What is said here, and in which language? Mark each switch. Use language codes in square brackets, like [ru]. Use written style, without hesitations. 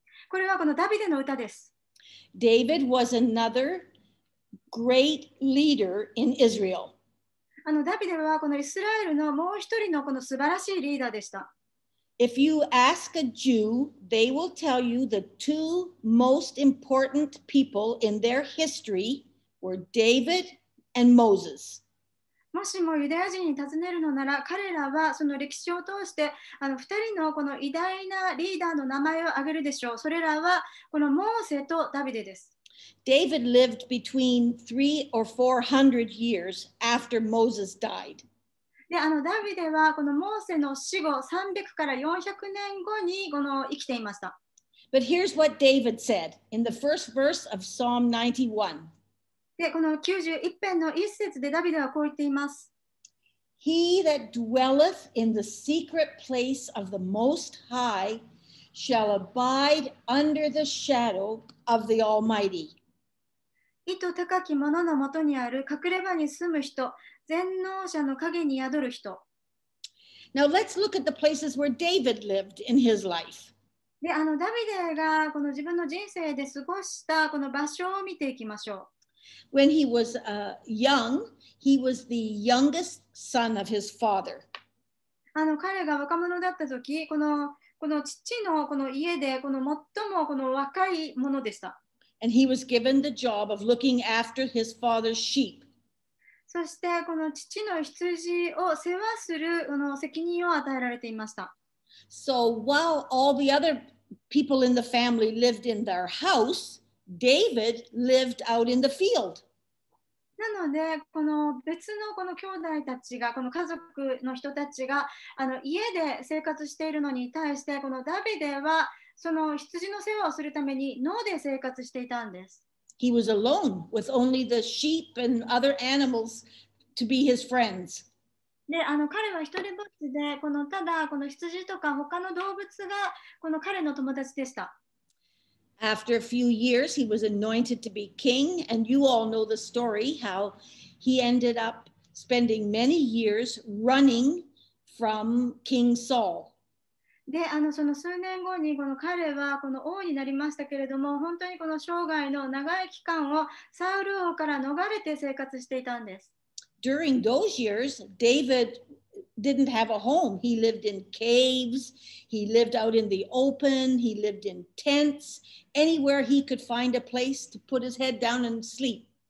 [ja] これはこのダビデの歌です。 [en] David was another great leader in Israel. [ja] あのダビデはこのイスラエルのもう一人のこの素晴らしいリーダーでした。 [en] If you ask a Jew, they will tell you the two most important people in their history were David and Moses. [ja] もしもユダヤ人に尋ねるのなら、彼らはその歴史を通して、あの2人のこの偉大なリーダーの名前を挙げるでしょう。それらはこのモーセとダビデです。 [en] David lived between 300 or 400 years after Moses died. [ja] で、あのダビデはこのモーセの死後300から400年後にこの生きていました。 [en] But here's what David said in the first verse of Psalm 91. [ja] で、この91編の1節でダビデはこう言っています。 [en] He that dwelleth in the secret place of the Most High shall abide under the shadow of the Almighty. [ja] 意図高き者のもとにある隠れ場に住む人、全能者の影に宿る人。 [en] Now let's look at the places where David lived in his life. [ja] で、あのダビデがこの自分の人生で過ごしたこの場所を見ていきましょう。 [en] When he was young, he was the youngest son of his father. [ja] あの彼が若者だった時、この父のこの家でこの最もこの若いものでした。 [en] And he was given the job of looking after his father's sheep. [ja] そしてこの父の羊を世話するこの責任を与えられていました。 [en] So while all the other people in the family lived in their house, David lived out in the field. [ja] なのでこの別のこの兄弟たちがこの家族の人たちがあの家で生活しているのに対してこのダビデはその羊の世話をするために農で生活していたんです。 [en] He was alone with only the sheep and other animals to be his friends. [ja] で、あの彼は一人ぼっちで、このただこの羊とか他の動物がこの彼の友達でした。 [en] After a few years, he was anointed to be king, and you all know the story how he ended up spending many years running from King Saul. [ja] で、あのその数年後にこの彼はこの王になりましたけれども、本当にこの生涯の長い期間をサウル王から逃れて生活していたんです。 [en] During those years, David didn't have a home. He lived in caves. He lived out in the open. He lived in tents. Anywhere he could find a place to put his head down and sleep.